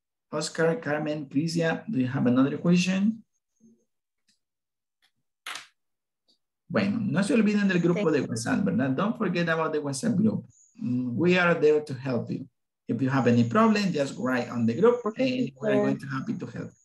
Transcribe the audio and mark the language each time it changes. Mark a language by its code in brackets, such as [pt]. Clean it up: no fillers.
[en] Oscar, Carmen, Crisia, do you have another question? [es] Bueno, no se olviden del grupo de WhatsApp, ¿verdad? [en] Don't forget about the WhatsApp group. We are there to help you. If you have any problem, just write on the group and we are going to be happy to help.